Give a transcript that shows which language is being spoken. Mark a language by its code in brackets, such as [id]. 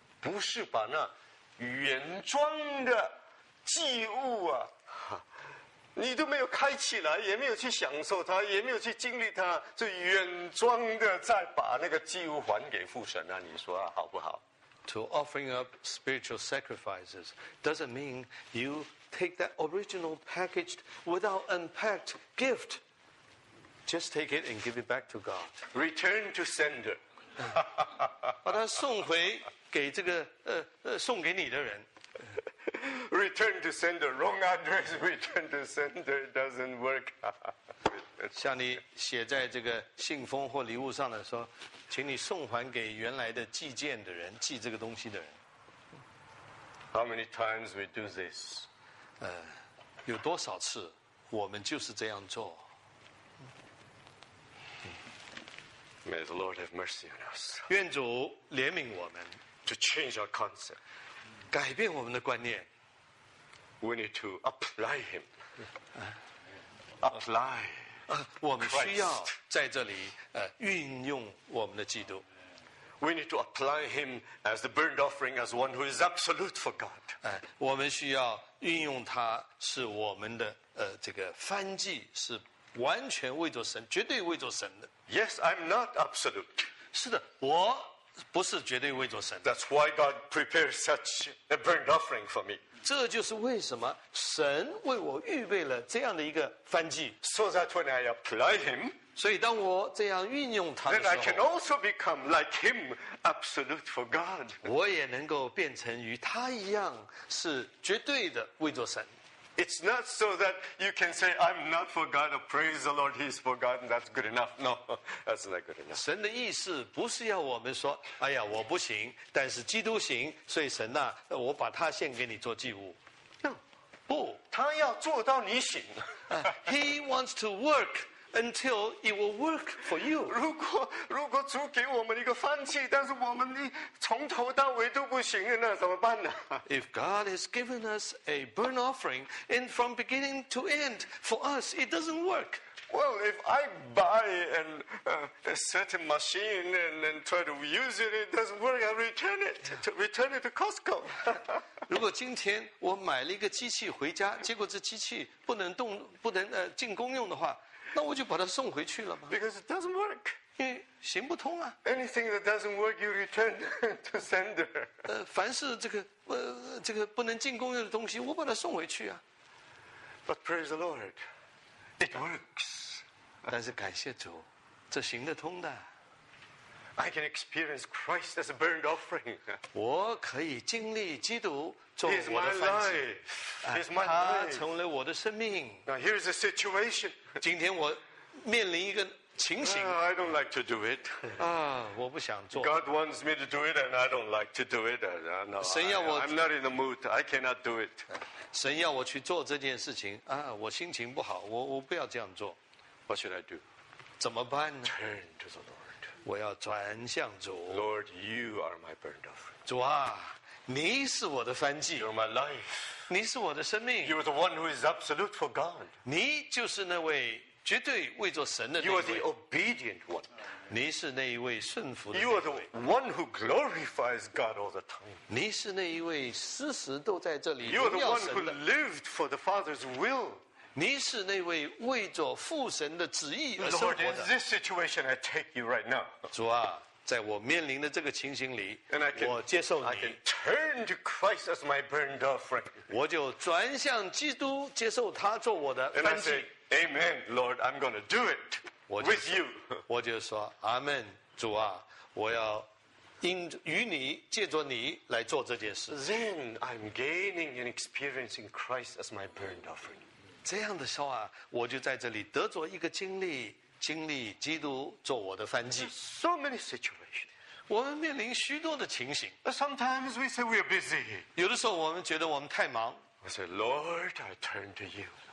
[zh] 不是把那原装的祭物啊，你都没有开起来，也没有去享受它，也没有去经历它，就原装的再把那个祭物还给父神啊，你说啊，好不好？ [en] To offering up spiritual sacrifices doesn't mean you take that original packaged without unpacked gift. Just take it and give it back to God. Return to sender. [zh] 把它送回给这个送给你的人。 [en] Return to sender, wrong address. Return to sender doesn't work. [zh] 像你写在这个信封或礼物上的说，请你送还给原来的寄件的人，寄这个东西的人。 [en] How many times we do this? [zh] 有多少次我们就是这样做？ [en] May the Lord have mercy on us. [zh] 愿主怜悯我们。 [en] To change our concept. [zh] 改变我们的观念。 [en] We need to apply him. Apply. [zh] 我们需要在这里运用我们的基督。 [en] We need to apply him as the burnt offering, as one who is absolute for God. [zh] 我们需要运用他是我们的这个燔祭，是完全为着神，绝对为着神的。 [en] Yes, I'm not absolute. [zh] 是的，我不是绝对为着神。 [en] That's why God prepares such a burnt offering for me. [zh] 这就是为什么神为我预备了这样的一个燔祭。 [en] So that when I apply him, [zh] 所以当我这样运用他的时候， [en] then I can also become like him, absolute for God. [zh] 我也能够变成与他一样是绝对的为着神。 [en] It's not so that you can say, I'm not for God, or praise the Lord, he's for God, and that's good enough. No, that's not good enough. [zh] 神的意思不是要我们说，哎呀，我不行，但是基督行，所以神啊，我把他献给你做祭物。 [en] No. [zh] 不，他要做到你行。 [en] He wants to work until it will work for you. [zh] 如果主给我们一个燔祭，但是我们从头到尾都不行，那怎么办呢？ [en] If God has given us a burnt offering, and from beginning to end, for us, it doesn't work. Well, if I buy a certain machine and try to use it, it doesn't work, I return it, return it to Costco. [zh] 如果今天我买了一个机器回家，结果这机器不能动，不能进功用的话，那我就把它送回去了吗？ [en] Because it doesn't work. [zh] 因为行不通啊。 [en] Anything that doesn't work, you return to sender. [zh] 凡是这个不能进功用的东西，我把它送回去啊。 [en] But praise the Lord, it works. [zh] 但是感谢主，这行得通的。 [en] I can experience Christ as a burnt offering. [zh] 我可以经历基督做我的燔祭。 [en] He's my life. He's my life. [zh] 他成了我的生命。 [en] Now here's the situation. [zh] 今天我面临一个情形。 [en] I don't like to do it. [zh] 我不想做。 [en] God wants me to do it, and I don't like to do it. No, [zh] 神要我 [en] I'm not in the mood. I cannot do it. [zh] 神要我去做这件事情啊，我心情不好，我不要这样做。 [en] What should I do? [zh] 怎么办呢？ [en] Turn to the Lord. [zh] 我要转向主。 [en] Lord, you are my burnt offering. [zh] 主啊，你是我的燔祭。 [en] You're my life. [zh] 你是我的生命。 [en] You're the one who is absolute for God. [zh] 你就是那位绝对为着神的那位。 [en] You are the obedient one. [zh] 你是那一位顺服的。 [en] You are the one who glorifies God all the time. [zh] 你是那一位时时都在这里。 [en] You are the one who lived for the Father's will. [zh] 你是那位为着父神的旨意而生活的。 [en] Lord, in this situation, I take you right now. [zh] 主啊，在我面临的这个情形里， [en] can, [zh] 我接受你。 [en] I can turn to Christ as my burnt offering. [zh] 我就转向基督，接受他做我的燔祭。 [en] Amen, Lord, I'm going to do it with you. [zh] 我就说 Amen, 主啊，我要与你借着你来做这件事。 [en] Then I'm gaining and experiencing Christ as my burnt offering. [zh] 这样的时候啊，我就在这里得着一个经历基督做我的燔祭。 [en] So many situations. [zh] 我们面临许多的情形。 [en] Sometimes we say we are busy. [zh] 有的时候我们觉得我们太忙。 [en] I say, Lord, I turn to you.